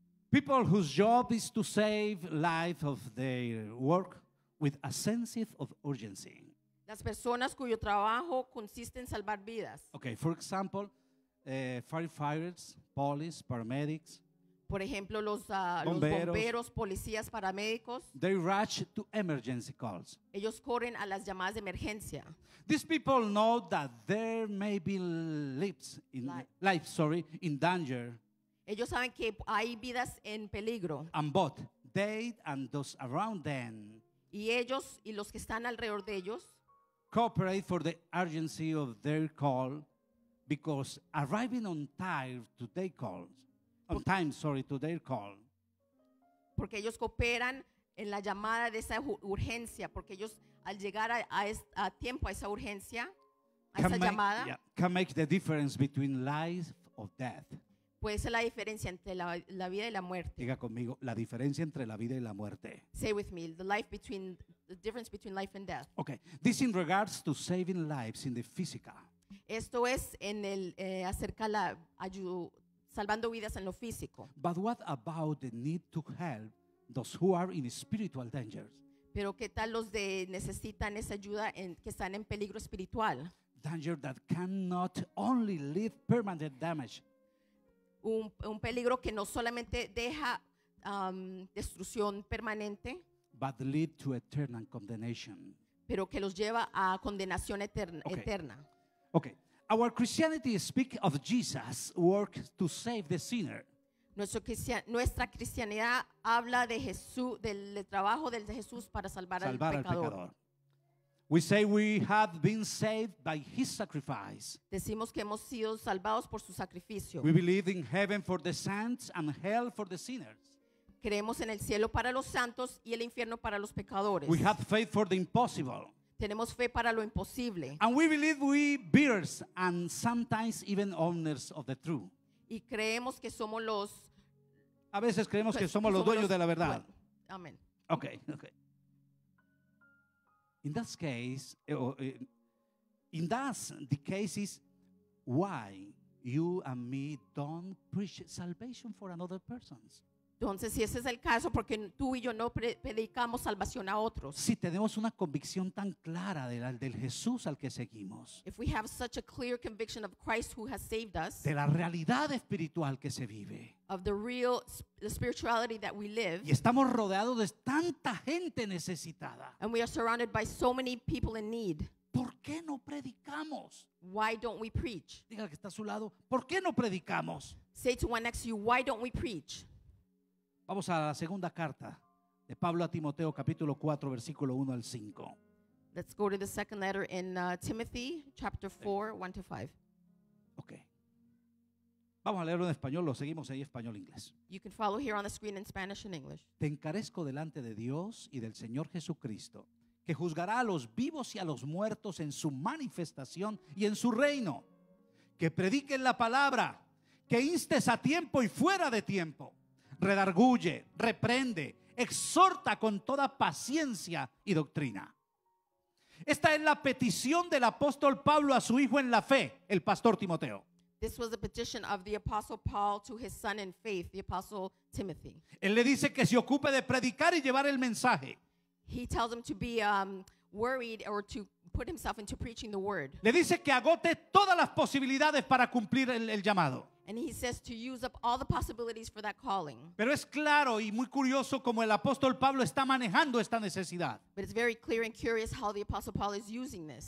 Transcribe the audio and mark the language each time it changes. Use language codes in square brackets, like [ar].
[en] People whose job is to save life of their work with a sense of urgency. [es] Las personas cuyo trabajo consiste en salvar vidas. [en] Okay, for example, firefighters, police, paramedics. [es] Por ejemplo, los bomberos, policías, paramédicos. [en] They rush to emergency calls. [es] Ellos corren a las llamadas de emergencia. [en] These people know that there may be lives in danger. [es] Ellos saben que hay vidas en peligro. [en] And both they and those around them. [es] Y ellos y los que están alrededor de ellos. [en] Cooperate for the urgency of their call. Because arriving on time to their call. [es] Porque ellos cooperan en la llamada de esa urgencia, porque ellos al llegar a tiempo a esa urgencia, llamada, [en] can make the difference between life or death. [es] Puede ser la diferencia entre la vida y la muerte. Diga conmigo, la diferencia entre la vida y la muerte. [en] Say with me, the difference between life and death. Okay, this in regards to saving lives in the physical. [es] Esto es en el acerca la ayuda salvando vidas en lo físico. [en] But what about the need to help those who are in spiritual dangers? [es] Pero qué tal los de necesitan esa ayuda en que están en peligro espiritual? [en] Danger that cannot only leave permanent damage. [es] Un peligro que no solamente deja destrucción permanente, [en] but lead to eternal condemnation. [es] Pero que los lleva a condenación eterna. [en] Okay, our Christianity speaks of Jesus' work to save the sinner. [es] Nuestra cristianidad habla de Jesús, del trabajo de Jesús para salvar al pecador. [en] We say we have been saved by his sacrifice. [es] Decimos que hemos sido salvados por su sacrificio. [en] We believe in heaven for the saints and hell for the sinners. [es] Creemos en el cielo para los santos y el infierno para los pecadores. [en] We have faith for the impossible. [es] Tenemos fe para lo imposible. [en] And we believe we bears and sometimes even owners of the truth. [es] Y creemos que somos los. A veces creemos que somos los dueños de la verdad. Bueno, amén. [en] Okay. In that case is why you and me don't preach salvation for another person. [es] Entonces, si ese es el caso, porque tú y yo no predicamos salvación a otros. Si tenemos una convicción tan clara del Jesús al que seguimos. [en] If we have such a clear conviction of Christ who has saved us. [es] De la realidad espiritual que se vive. [en] Of the real the spirituality that we live. [es] Y estamos rodeados de tanta gente necesitada. [en] And we are surrounded by so many people in need. [es] ¿Por qué no predicamos? [en] Why don't we preach? [es] Diga que está a su lado. ¿Por qué no predicamos? [en] Say to one next to you, why don't we preach? [es] Vamos a la segunda carta de Pablo a Timoteo, capítulo 4, versículo 1 al 5. [en] Let's go to the second letter in Timothy, chapter 4, 1 to 5. Okay. [es] Vamos a leerlo en español, lo seguimos ahí, español-inglés. [en] You can follow here on the screen in Spanish and English. [es] Te encarezco delante de Dios y del Señor Jesucristo, que juzgará a los vivos y a los muertos en su manifestación y en su reino, que prediquen la palabra, que instes a tiempo y fuera de tiempo. Redarguye, reprende, exhorta con toda paciencia y doctrina. Esta es la petición del apóstol Pablo a su hijo en la fe, el pastor Timoteo. [en] This was the petition of the apostle Paul to his son in faith, the apostle Timothy. [es] Él le dice que se ocupe de predicar y llevar el mensaje. [en] He tells him to be worried or to put himself into preaching the word. [es] Le dice que agote todas las posibilidades para cumplir el llamado. [en] And he says to use up all the possibilities for that calling. [es] Pero es claro y muy curioso como el apóstol Pablo está manejando esta necesidad. [en] But it's very clear and curious how the apostle Paul is using this.